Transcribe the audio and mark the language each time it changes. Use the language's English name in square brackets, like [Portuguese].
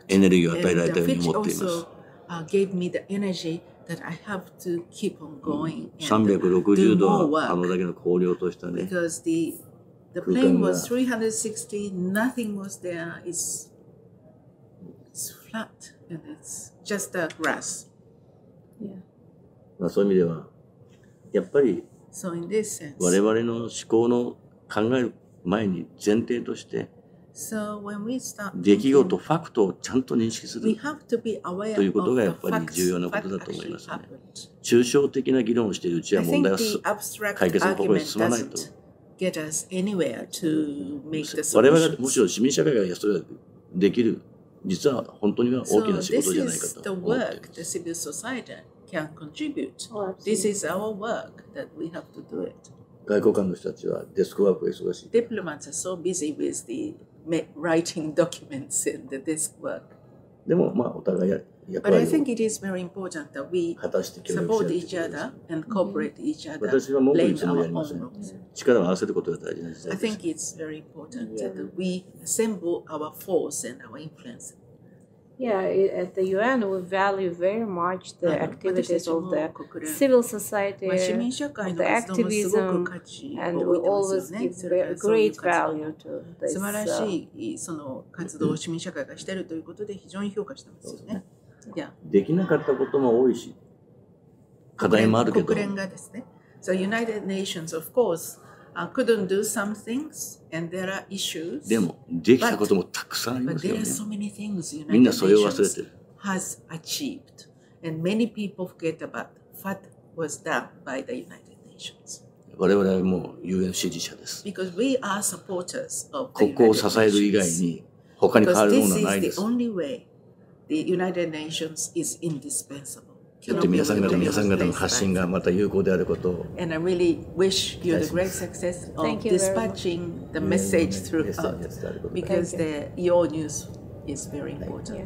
[Japanese] エネルギーを与えられたように思っています。 [English] Gave me the energy that I have to keep on going and do more work. 360 [Japanese] 度あのだけの荒涼としたね。 [English] Because the,The plane was 360, nothing was there, it's flat, and it's just a grass. Yeah. [Japanese] そういう意味では、やっぱり、 [English] So in this sense, [Japanese] 我々の思考の考える前に前提として、 [English] So when we start, [Japanese] 出来事、ファクトをちゃんと認識する [English] we have to be aware [Japanese] ということがやっぱり重要なことだと思いますね。抽象的な議論をしているうちは問題は解決の方向に進まないと。我々がもちろん市民社会がやそれができる、実は本当には大きな仕事じゃないかと思っています [English] 。 Can contribute. This is our work that we have to do it. [Japanese] 外交官の人たちはデスクワークが忙しい。 [English] Diplomats are so busy with the writing documents and the desk work. [Japanese] でもまあお互い役割を。 [English] But I think it is very important that we support each other and cooperate each other. [Japanese] 私は文句言ってもやりません。力を合わせることが大事な時代です。 [English] I think it's very important that we assemble our force and our influence. Yeah, at the UN, we value very much the activities of the civil society, of the activism, and we always give great value to this. [Japanese] 素晴らしいその活動を市民社会がしているということで非常に評価してますよね。できなかったことも多いし、課題もあるけど。国連がですね。 [English] So United Nations, of course,couldn't do some things, and there are issues. [Japanese] でもできたこともたくさんありますよね。 [English] But there are so many things United [Japanese] みんなそれを忘れてる。 [English] Has achieved, and many people forget about what was done by the United Nations. [Japanese] 我々はもう UN 支持者です。 [English] Because we are supporters of [Japanese] the United Nations. ここを支える以外に他に変わるものはないです。 [English] This is the only way the United Nations is indispensable. [Japanese] やって皆さん方、皆さん方の発信がまた有効であることを。 [English] And I really wish you the great success of dispatching the message throughout, because the your news is very important.